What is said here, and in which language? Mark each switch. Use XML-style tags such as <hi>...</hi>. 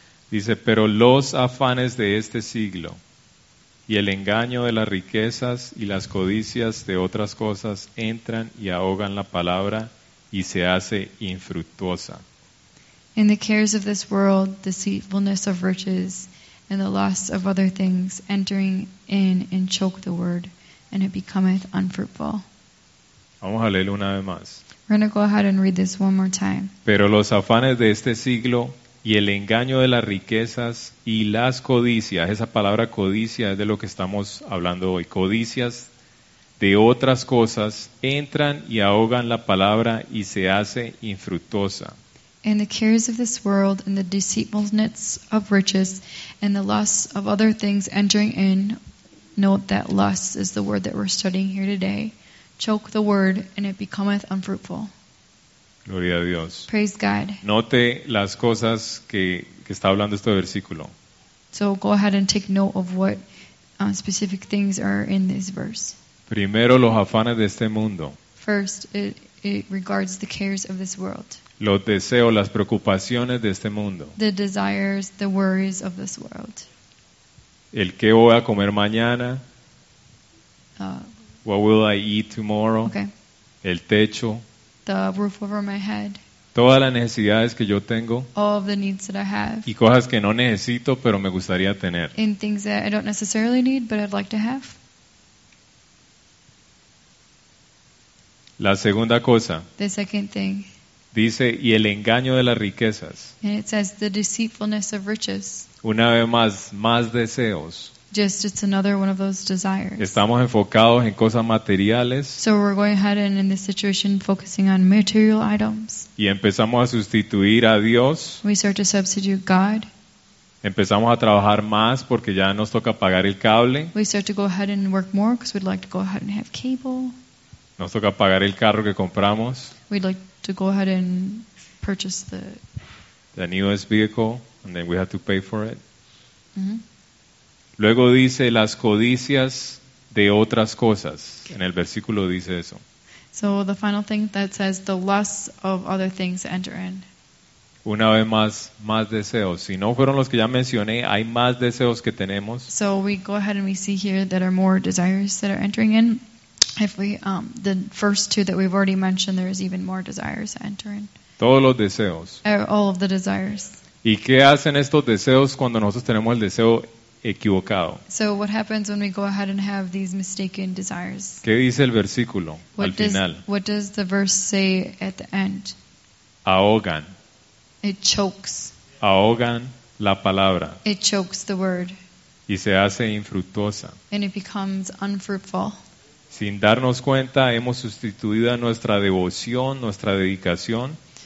<es>Dice, pero los afanes de este siglo y el engaño de las riquezas y las codicias de otras cosas entran y ahogan la palabra y se hace infructuosa.</es> <en>In the cares of this world, deceitfulness of riches and the lust of other things entering in and choke the word, and it becometh unfruitful.</en> <es>Vamos a leerlo una vez más.</es> <en>We're going to go ahead and read this one more time.</en> <es>Pero los afanes de este siglo y el engaño de las riquezas y las codicias, esa palabra codicia es de lo que estamos hablando hoy, codicias de otras cosas entran y ahogan la palabra y se hace infructuosa.</es> <en>And the cares of this world and the deceitfulness of riches and the lusts of other things entering in, note that lust is the word that we're studying here today, choke the word and it becometh unfruitful.</en> <es>Gloria a Dios.</es> <en>Praise God.</en> <es>Note las cosas que está hablando este versículo.</es> <en>So go ahead and take note of what specific things are in this verse.</en> <es>Primero, los afanes de este mundo.</es> <en>First, it regards the cares of this world.</en> <es>Los deseos, las preocupaciones de este mundo.</es> <en>The desires, the worries of this world.</en> <es>El qué voy a comer mañana.</es> <en>What will I eat tomorrow? Okay.</en> <es>El techo.</es> <en>The roof over my head.</en> <es>Todas las necesidades que yo tengo.</es> <en>All of the needs that I have.</en> <es>Y cosas que no necesito, pero me gustaría tener.</es> <en>And things that I don't necessarily need, but I'd like to have.</en> <es>La segunda cosa.</es> <en>The second thing.</en> <es>Dice, y el engaño de las riquezas.</es> <en>And it says, the deceitfulness of riches.</en> <es>Una vez más, más deseos.</es> <en>Just, it's another one of those desires.</en> <es>Estamos enfocados en cosas materiales.</es> <en>So we're going ahead and in this situation focusing on material items.</en> <es>Y empezamos a sustituir a Dios.</es> <en>We start to substitute God.</en> <es>Empezamos a trabajar más porque ya nos toca pagar el cable.</es> <en>We start to go ahead and work more because we'd like to go ahead and have cable.</en> <es>Nos toca pagar el carro que compramos.</es> <en>We'd like to go ahead and purchase the newest vehicle. And then we have to pay for it. Mm-hmm.</en> <es>Luego dice las codicias de otras cosas. Okay. En el versículo dice eso.</es> <en>So the final thing that says the lusts of other things enter in.</en> <es>Una vez más, más deseos. Si no fueron los que ya mencioné, hay más deseos que tenemos.</es> <en>So we go ahead and we see here that are more desires that are entering in. If we the first two that we've already mentioned, there is even more desires to enter in.</en> <es>Todos los deseos.</es> <en>All of the desires.</en> <es>¿Y qué hacen estos deseos cuando nosotros tenemos el deseo equivocado?</es> <en>So what happens when we go ahead and have these mistaken desires?</en> <es>¿Qué dice el versículo al final?</es> <en>What does the verse say at the end?</en> <es>Ahogan.</es> <en>It chokes.</en> <es>Ahogan la palabra.</es> <en>It chokes the word.</en> <es>Y se hace infructuosa.</es> <en>And it becomes unfruitful.</en> <es>Sin darnos cuenta, hemos sustituido nuestra devoción, nuestra dedicación.</es>